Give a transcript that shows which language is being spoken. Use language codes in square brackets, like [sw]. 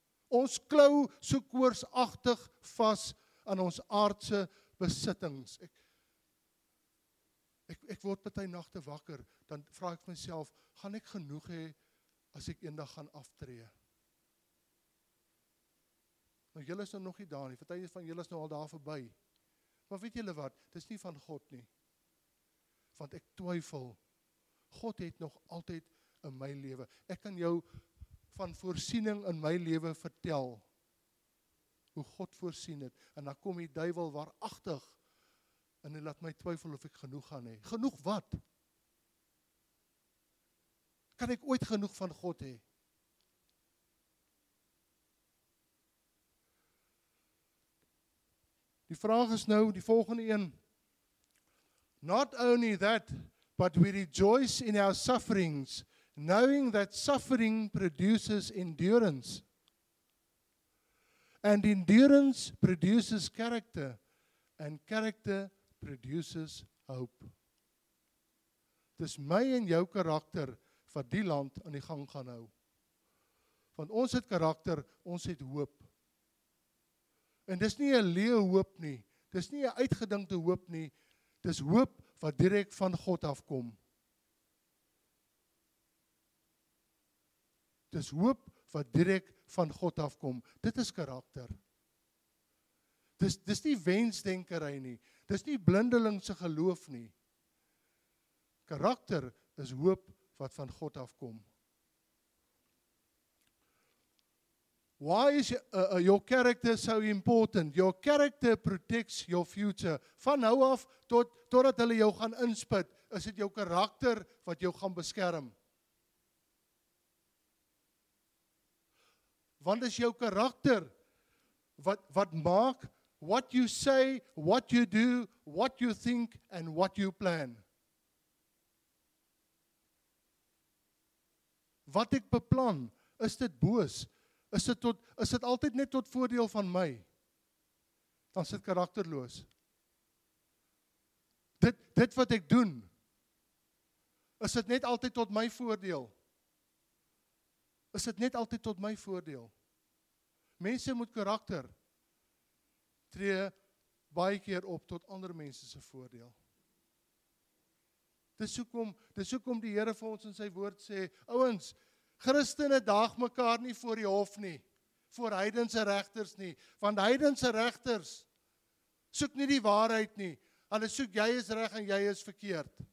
[af] Ons klou so koorsagtig vas aan ons aardse besittings. Ek, Ek word party nagte wakker, dan vra ek myself, gaan ek genoeg hê as ek eendag gaan aftree? Nou julle is nou nog nie daar nie. Party van julle is nou al daar verby. Maar weet julle wat? Dis nie van God nie. Want ek twyfel. God het nog altyd in my lewe. Ek kan jou van voorsiening in my lewe vertel. Hoe God voorsien het. En dan kom die duivel waaragtig. En hy laat my twyfel of ek genoeg gaan hê. Genoeg wat? Kan ek ooit genoeg van God hê? Die vraag is nou, die volgende een. [en] Not only that, but we rejoice in our sufferings, knowing that suffering produces endurance. And endurance produces character, and character produces hope. [af] Dis my en jou karakter wat die land aan die gang gaan hou. Want ons het karakter, ons het hoop. En dis nie 'n leë hoop nie, dis nie 'n uitgedinkte hoop nie, dis hoop wat direk van God afkom. Dis hoop wat direk van God afkom. Dit is karakter. Dis nie wensdenkery nie. Dis nie blindelingse geloof nie. Karakter is hoop wat van God afkom. [en] Why is your character so important? Your character protects your future. [af] Van nou af totdat hulle jou gaan inspit, is dit jou karakter wat jou gaan beskerm. Want is jou karakter wat maak [en] what you say, what you do, what you think and what you plan. [af] Wat ek beplan, is dit boos? Is dit altyd net tot voordeel van my? Dan is dit karakterloos. Dit wat ek doen, is dit net altyd tot my voordeel? Is dit net altyd tot my voordeel? Mense moet karakter tree baie keer op tot ander mense se voordeel. Dis hoekom die Here vir ons in sy woord sê, ouens, Christene daag mekaar nie voor die hof nie, voor heidense regters nie, want heidense regters soek nie die waarheid nie. Hulle soek jy is reg en jy is verkeerd.